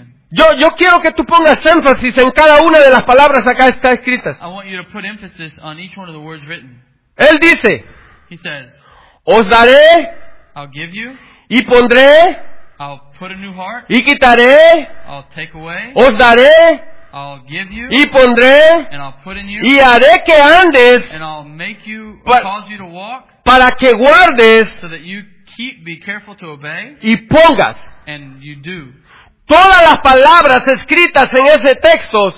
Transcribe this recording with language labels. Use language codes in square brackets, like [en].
[es] Yo quiero que tú pongas énfasis en cada una de las palabras acá está escritas. [en] I want you to put emphasis on each one of the words written. [es] Él dice, [en] he says, [es] os daré, [en] I'll give you, [es] y pondré, [en] I'll put a new heart, [es] y quitaré, [en] I'll take away, [es] os daré, [en] I'll give you, [es] y pondré, [en] and I'll put in you, [es] y haré que andes, [en] and I'll make you, cause you to walk, [es] para que guardes, [en] so that you keep, be careful to obey, [es] y pongas, [en] and you do. [es] Todas las palabras escritas en ese texto,